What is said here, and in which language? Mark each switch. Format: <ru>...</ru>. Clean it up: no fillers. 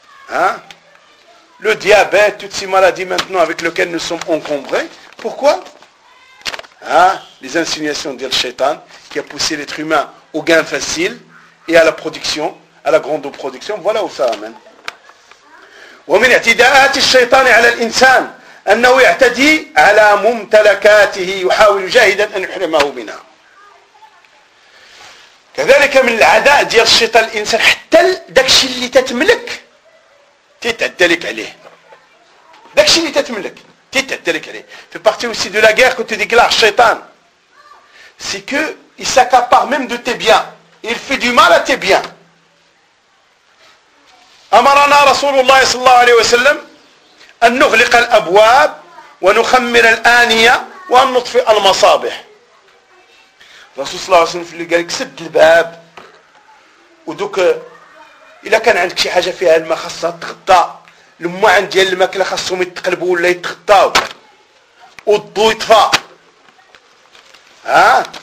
<fr>hein le diabète toutes ces maladies maintenant avec lesquelles nous sommes encombrés pourquoi hein les insinuations de Shaitan qui a poussé l'être humain au gain facile et à la production à la grande production, voilà où ça amène.</fr> <ar>ومن اعتداءات الشيطان على الإنسان أنه يعتدي على ممتلكاته يحاول جاهدا أن يحرمه منها. كذلك من العداء ديال الشيطان الإنسان حتى داكشي اللي تتملك تتعدى لك عليه. داكشي اللي تتملك تتعدى لك عليه.</ar> <fr>في partie aussi de la guerre que tu déclares Shaitan, c'est que il s'accapare même de tes biens. Il fait du mal à tes biens.</fr> <ar>أمرنا رسول الله صلى الله عليه وسلم أن نغلق الأبواب ونخمر الآنية وأن نطفئ المصابح رسول الله صلى الله عليه وسلم قال لك سد الباب ودوك إذا كان عندك شي حاجة فيها الماء خاصها تغطى لما عندي الماكلة خاصهم يتقلبوا ولا يتغطاو والضو يطفى ها</ar>